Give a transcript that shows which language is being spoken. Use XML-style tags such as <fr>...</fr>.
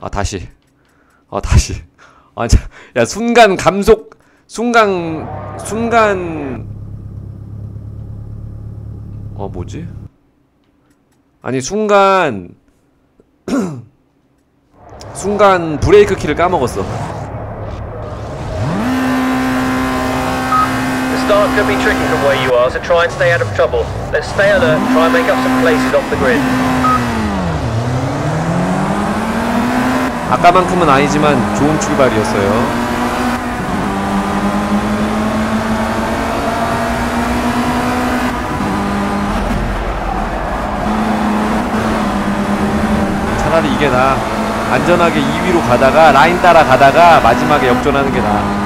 <ko>아, 다시. 아, 다시. 아, 자, 야, 순간 감속. 순간. 어, 뭐지? 아니, 순간. 순간 브레이크 키를 까먹었어.</ko> <en>The start could be tricky from where you are, so try and stay out of trouble. Let's stay alert, try and make up some places off the grid.</en> <ko>아까만큼은 아니지만 좋은 출발이었어요. 차라리 이게 나. 안전하게 2위로 가다가 라인 따라 가다가 마지막에 역전하는 게 나아.</ko>